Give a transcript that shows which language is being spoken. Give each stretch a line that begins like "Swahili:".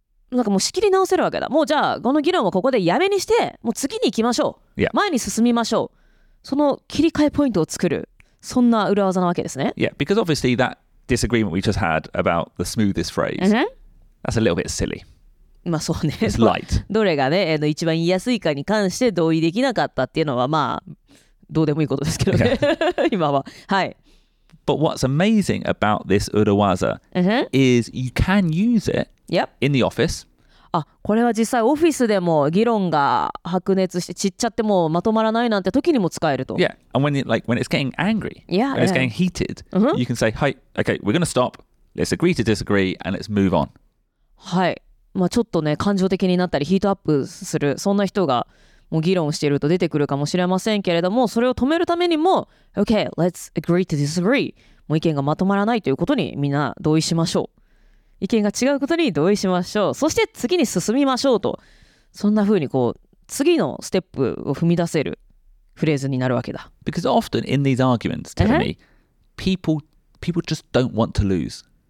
Japanese: なんかもう仕切り直せるわけだ。もうじゃあこの議論はここでやめにして、もう次に行きましょう。
English: Yeah.
Japanese: 前に進みましょう。その切り替えポイントを作る、そんな裏技なわけですね。
English: Yeah, because obviously that disagreement we just had about the smoothest phrase、 mm-hmm. that's a little bit silly.
Japanese: まあそうね。
English: It's light.
Japanese: どれがね、一番言いやすいかに関して同意できなかったっていうのはまあどうでもいいことですけどね、yeah. 今は。はい。
English: But what's amazing about this urawaza、 mm-hmm. is you can use it、 yep. in the office.
Japanese: あ、これは実際オフィスでも議論が白熱して散っちゃってもうまとまらないなんて時にも使えると。
English: Yeah, and when it's getting angry, yeah, when it's getting heated,、 mm-hmm. you can say, hey, okay, we're going to stop, let's agree to disagree, and let's move on.
Japanese: はい。まあちょっとね、感情的になったりヒートアップする、そんな人がもう議論していると出てくるかもしれませんけれども、それを止めるためにも
English: OK, let's agree to disagree、
Japanese: もう意見がまとまらないということにみんな同意しましょう、意見が違うことに同意しましょう、そして次に進みましょうと、そんな風にこう次のステップを踏み出せるフレーズになるわけだ。
English: Because often in these arguments, tell me, people just don't want to lose.